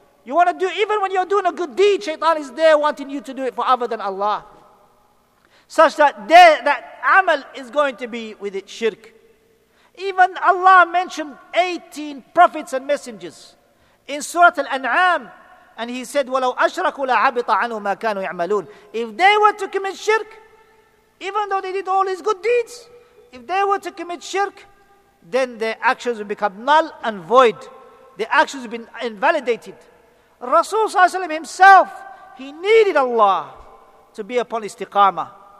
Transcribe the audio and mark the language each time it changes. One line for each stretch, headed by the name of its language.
English: You want to do, even when you're doing a good deed, shaitan is there wanting you to do it for other than Allah. Such that there, that amal is going to be with it shirk. Even Allah mentioned 18 prophets and messengers in Surah Al-An'am. And he said,
Arabic: وَلَوْ أَشْرَكُوا لَعَبِطَ عَنُوا مَا كَانُوا يَعْمَلُونَ.
English: If they were to commit shirk, even though they did all his good deeds, if they were to commit shirk, then their actions would become null and void. Their actions would be invalidated. Rasul Sallallahu Alaihi Wasallam himself, he needed Allah to be upon istiqamah.